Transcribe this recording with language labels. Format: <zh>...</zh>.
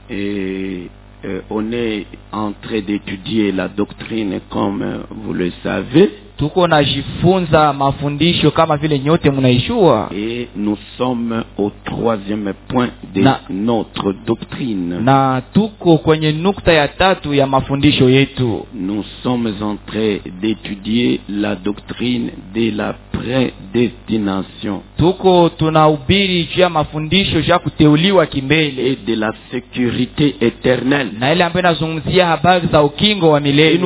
<fr>Et on est en train d'étudier la doctrine comme vous le savez.</fr> <sw>Tuko na jifunza mafundisho kama vile nyote mnaijua.</sw> <fr>Et nous sommes au troisième point de notre doctrine.</fr> <sw>Na tuko kwenye nukta ya tatu ya mafundisho yetu.</sw> <fr>Nous sommes en train d'étudier la doctrine de la prédestination.</fr> <sw>Tuko tunahubiri juu ya mafundisho ya kuteuliwa kimbele.</sw> <fr>Et de la sécurité éternelle.</fr> <sw>Na ile ambayo inazungumzia habari za ukingo wa milele.</sw>